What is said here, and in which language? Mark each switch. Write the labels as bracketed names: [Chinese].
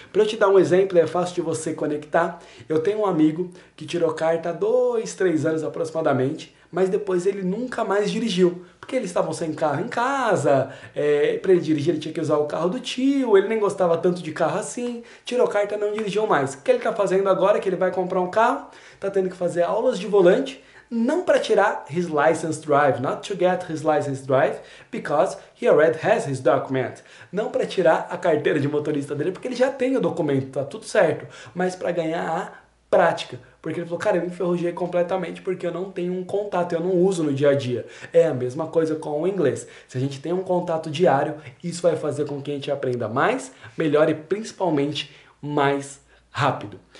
[Portuguese] Para eu te dar um exemplo, é fácil de você conectar. Eu tenho um amigo que tirou carta há 2, 3 anos aproximadamente, mas depois ele nunca mais dirigiu, porque eles estavam sem carro em casa. Para ele dirigir, ele tinha que usar o carro do tio, ele nem gostava tanto de carro assim. Tirou carta, não dirigiu mais. O que ele está fazendo agora? Que ele vai comprar um carro, está tendo que fazer aulas de volante. Não para tirar [English] his license drive, not to get his license drive, because he already has his document. [Portuguese] Não para tirar a carteira de motorista dele, porque ele já tem o documento, tá tudo certo. Mas para ganhar a prática. Porque ele falou, cara, eu enferrujei completamente porque eu não tenho um contato, eu não uso no dia a dia. É a mesma coisa com o inglês. Se a gente tem um contato diário, isso vai fazer com que a gente aprenda mais, melhor e principalmente mais rápido.